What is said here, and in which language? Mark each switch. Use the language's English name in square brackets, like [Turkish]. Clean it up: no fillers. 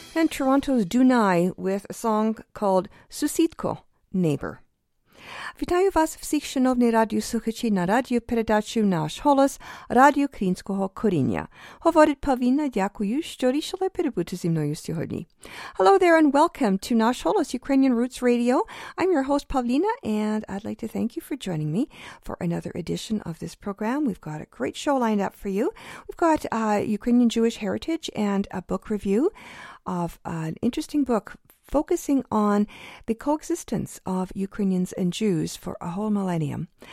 [English] Toronto's Dunai with a song called Susitko, Neighbor. [Ukrainian] Вітаю вас всіх, шановні радіослухачі, на радіопередачі «Наш голос» Радіо Українського коріння. Говорить Павіна, дякую, що рішили перебути зі мною сьогодні. [English] Hello there and welcome to «Наш голос» Ukrainian Roots Radio. I'm your host, Павіна, and I'd like to thank you for joining me for another edition of this program. We've got a great show lined up for you. We've got Ukrainian Jewish heritage and a book review of an interesting book, focusing on the coexistence of Ukrainians and Jews for a whole millennium.